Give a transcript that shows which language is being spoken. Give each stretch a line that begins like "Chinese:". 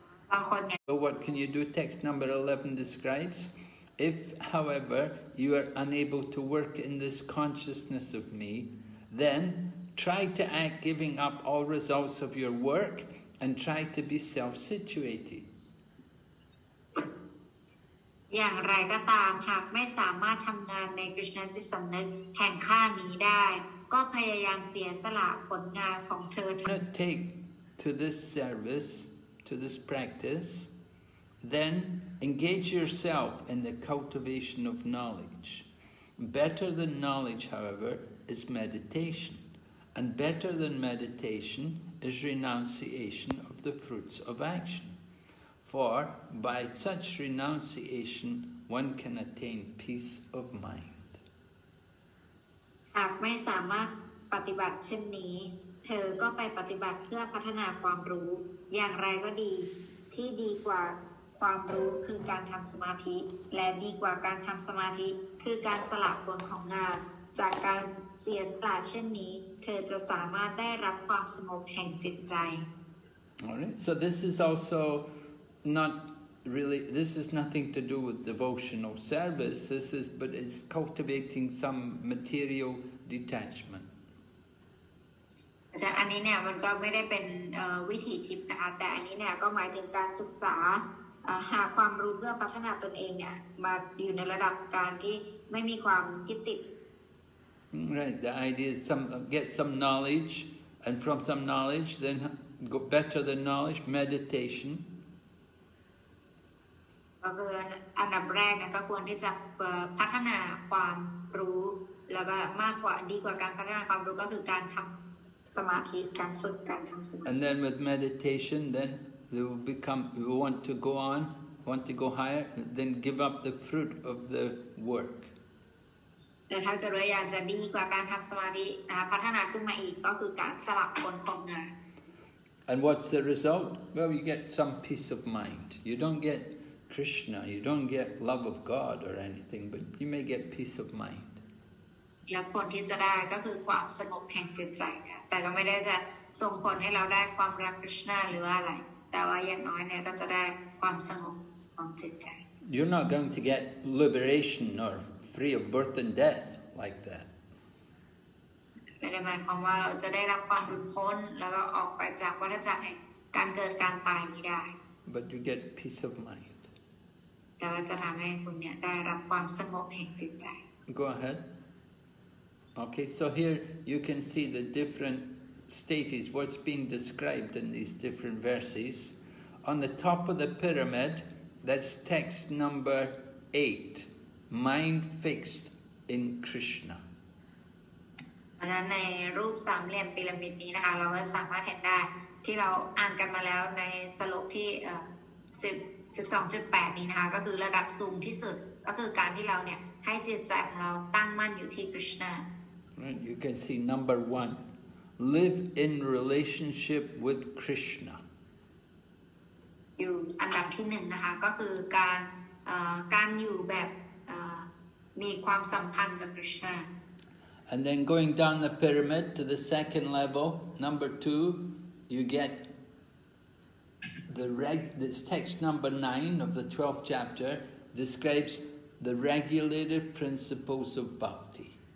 English: But what can you do? Text number 11 describes, if, however, you are unable to work in this consciousness of me,Then try to act giving up all results of your work and try to be self-situated.
Thai: อย่างไรก็ตามหากไม่สามารถทำงานในคริสตจิตสำนึกแห่งข้านี้ได้ก็พยายามเสียสละผลงานของเธอ
English: Not take to this service, to this practice, then engage yourself in the cultivation of knowledge. Better than knowledge, however,is meditation, and better than meditation is renunciation of the fruits of action. For by such renunciation, one can attain peace of mind.
Thai: หากไม่สามารถปฏิบัติเช่นนี้เธอก็ไปปฏิบัติเพื่อพัฒนาความรู้อย่างไรก็ดีที่ดีกว่าความรู้คือการทำสมาธิและดีกว่าการทำสมาธิคือการสละผลของงานจากการเสียสละเช่นนี้เธอจะสามารถได้รับความสงบแห่งจิตใจ
English: Alright, so this is also not really, this is nothing to do with devotional service, this is, but it's cultivating some material detachment.
Thai: แต่อันนี้เนี่ยมันก็ไม่ได้เป็นวิถีทิพย์นะคะแต่อันนี้เนี่ยก็หมายถึงการศึกษาหาความรู้เพื่อพัฒนาตนเองเนี่ยมาอยู่ในระดับการที่ไม่มีความยึดติด
English: Right the idea is get some knowledge and from some knowledge then go better than knowledge meditation
Thai: ก็คืออันดับแรกนะก็ควรที่จะพัฒนาความรู้แล้วก็มากกว่าดีกว่าการพัฒนาความรู้ก็คือการทำสมาธิการฝึกการทำสมาธิ
English: And then with meditation then they will become you want to go on want to go higher then give up the fruit of the work
Thai: แต่ถ้าเกิดว่าอยากจะดีกว่าการทำสมาธิพัฒนาขึ้นมาอีกก็คือการสลับผลของงาน
English: And what's the result well you get some peace of mind you don't get Krishna you don't get love of God or anything but you may get peace of mind
Thai: แล้วผลที่จะได้ก็คือความสงบแห่งจิตใจค่ะแต่ก็ไม่ได้จะส่งผลให้เราได้ความรักคริสต์หรือว่าอะไรแต่ว่าอย่างน้อยเนี่ยก็จะได้ความสงบของจิตใจ
English: You're not going to get liberation or free of birth and death like that.
Thai: ไม่ได้หมายความว่าเราจะได้รับความหลุดพ้นแล้วก็ออกไปจากวัฏจักรแห่งการเกิดการตายนี้ได้
English: But you get peace of mind.
Thai: แต่ว่าจะทำให้คุณเนี่ยได้รับความสงบแห่งจิตใจ
English: Go ahead. Okay, so here you can see the different. Stages, what's being described in these different verses. On the top of the pyramid, that's text number 8, mind fixed in Krishna. And then, in the shape of the pyramid, we can see that we have read it in the slope of 12.8, which is the highest level, which is the fact that we have to put our mind in Krishna. You can see number 1. Live in relationship with Krishna.
Thai: อยู่อันดับที่หนึ่งนะคะก็คือการอยู่แบบมีความสัมพันธ์กับ Krishna.
English: And then going down the pyramid to the second level, number 2, you get this text number 9 of the 12th chapter describes the regulative principles of bhakti.